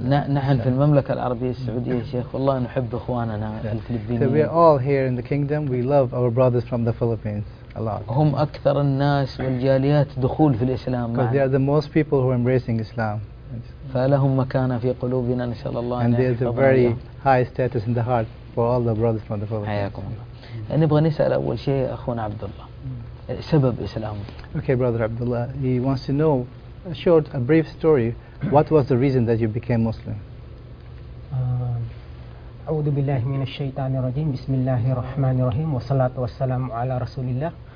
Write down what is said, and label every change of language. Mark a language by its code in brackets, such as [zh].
[ar] نحن في المملكة العربية السعودية شيخ والله نحب اخواننا الفلبينيين. [en] So we are all here in the kingdom. We love our brothers from the Philippines a lot. [ar] هم اكثر الناس والجاليات دخول في الاسلام. [en] Because they are the most people who are embracing Islam. [ar] فلهم مكانة في قلوبنا ان شاء الله. [en] And there's a very high status in the heart for all the brothers from the Philippines. [ar] حياكم الله. نبغى نسأل اول شيء اخونا عبد الله سبب اسلامه. [en] Okay brother Abdullah, he wants to know a short, a brief story. What was the reason that you became Muslim? [ar] أعوذ بالله من الشيطان الرجيم. بسم الله الرحمن الرحيم. والصلاة والسلام على رسول الله.